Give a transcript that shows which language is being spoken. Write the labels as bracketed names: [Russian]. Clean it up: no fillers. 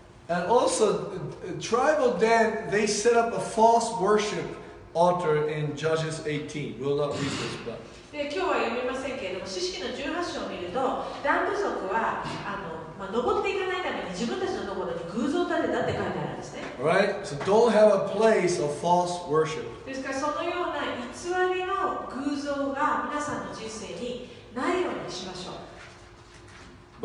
[English] And also, tribal Dan, they set up a false worship altar in Judges 18. We'll not read this, but. [Japanese] で今日は読みませんけれども、詩式の18章を見ると、ダン部族は登っていかないために自分たちのところに偶像を建てたって書いてあるんですね。 [English] Right? So don't have a place of false worship. [Japanese] ですからそのような偽りの偶像が皆さんの人生にないようにしましょう。